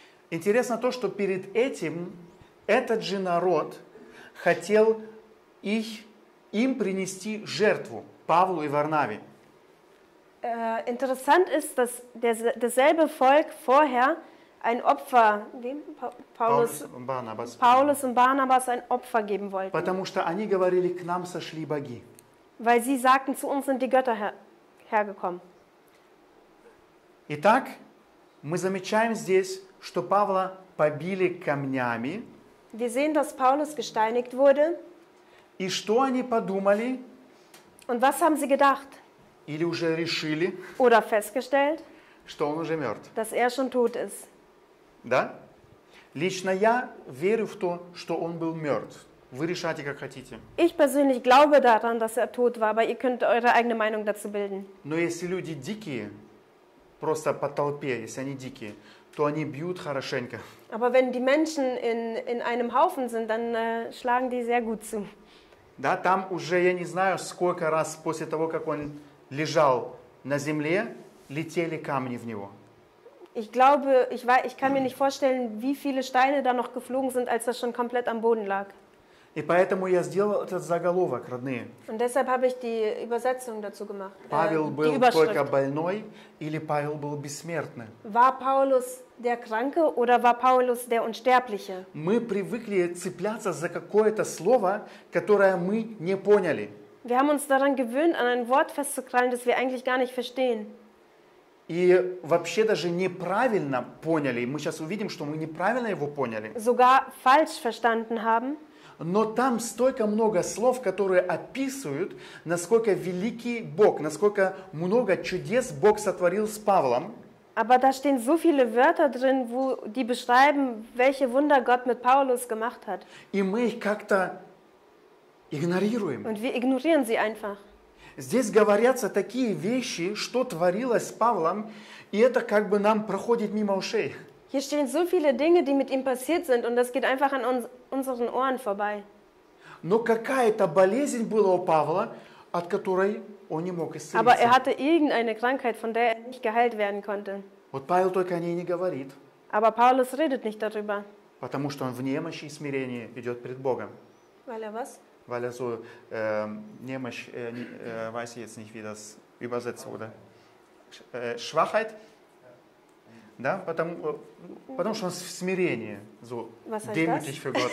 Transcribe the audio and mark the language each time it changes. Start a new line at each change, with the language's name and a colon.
Russian: Интересно то, что перед этим этот же народ хотел им принести жертву Павлу и Варнаве.
German: Interessant ist, dass dasselbe Volk vorher ein Opfer, dem Paulus und Barnabas ein Opfer geben wollten.
Russian: Потому что они говорили, к нам сошли боги.
German: Weil sie sagten, zu uns sind die Götter hergekommen.
Russian: Итак, мы замечаем здесь, что Павла побили камнями.
German: Wir sehen, dass Paulus gesteinigt wurde.
Russian: И что они подумали?
German: Und was haben sie gedacht?
Russian: Или уже решили?
German: Oder festgestellt?
Russian: Что он уже мертв?
German: Dass schon tot ist.
Russian: Да? Лично я верю в то, что он был мертв. Вы решайте, как хотите.
German: Ich persönlich glaube daran, dass tot war, aber ihr könnt eure eigene Meinung dazu bilden.
Russian: Но если люди дикие, просто по толпе, если они дикие, то они бьют хорошенько.
German: Aber wenn die Menschen in einem Haufen sind, dann schlagen die sehr gut zu.
Russian: Да, там уже я не знаю, сколько раз после того, как он лежал на земле, летели камни в него.
German: Ich glaube, ich kann mir nicht vorstellen, wie viele Steine da noch geflogen sind, als er schon komplett am Boden lag.
Russian: И поэтому я сделал этот заголовок, родные.
German: Und deshalb habe ich die Übersetzung dazu gemacht.
Russian: Павел был только больной или Павел был бессмертный?
German: War Paulus der Kranke oder war Paulus der Unsterbliche?
Russian: Мы привыкли цепляться за какое-то слово, которое мы не поняли.
German: Wir haben uns daran gewöhnt, an ein Wort festzukrallen, das wir eigentlich gar nicht verstehen.
Russian: И вообще даже неправильно поняли. Мы сейчас увидим, что мы неправильно его поняли.
German: Sogar falsch verstanden haben.
Russian: Но там столько много слов, которые описывают, насколько великий Бог, насколько много чудес Бог сотворил с Павлом.
German: Aber da stehen so viele Wörter drin, wo die beschreiben, welche Wunder Gott mit Paulus gemacht hat.
Russian: И мы их как-то игнорируем.
German: Und wir ignorieren sie einfach.
Russian: Здесь говорятся такие вещи, что творилось с Павлом, и это как бы нам проходит мимо ушей.
German: Hier stehen so viele Dinge, die mit ihm passiert sind, und das geht einfach an unseren Ohren vorbei.
Russian: Но какая-то болезнь была у Павла, от которой он не мог исцелиться.
German: Aber er hatte irgendeine Krankheit, von der er nicht geheilt werden konnte.
Russian: Вот Павел только о ней не говорит.
German: Aber Paulus redet nicht darüber.
Russian: Потому что он в немощи и смирении идет перед Богом.
German: Weil was? Weil so
Russian: немощь,
German: weiß ich jetzt nicht, wie das übersetzt wurde. Schwachheit.
Russian: Да, потому что он в смирении,
German: so demütig für Gott